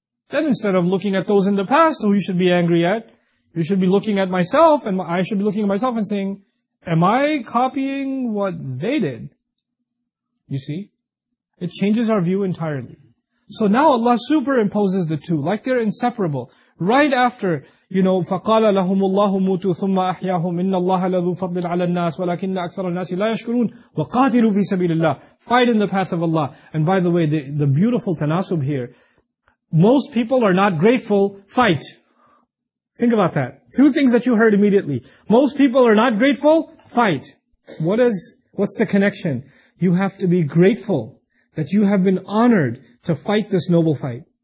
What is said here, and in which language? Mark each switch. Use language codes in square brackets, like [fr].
[en] Then instead of looking at those in the past who you should be angry at, you should be looking at myself, and I should be looking at myself and saying, am I copying what they did? You see? It changes our view entirely. So now Allah superimposes the two, like they're inseparable. Right after, you know, [ar] فَقَالَ لَهُمُ اللَّهُ مُوتُوا ثُمَّ أَحْيَاهُمْ إِنَّ اللَّهَ لَذُو فَضْلٍ عَلَى النَّاسِ وَلَكِنَّ أَكْثَرَ النَّاسِ لَا يَشْكُرُونَ وَقَاتِلُوا فِي سَبِيلِ اللَّهِ. [en] Fight in the path of Allah. And by the way, the beautiful tanasub here. Most people are not grateful. Fight. Think about that. Two things that you heard immediately. Most people are not grateful. Fight. What's the connection? You have to be grateful that you have been honored to fight this noble fight.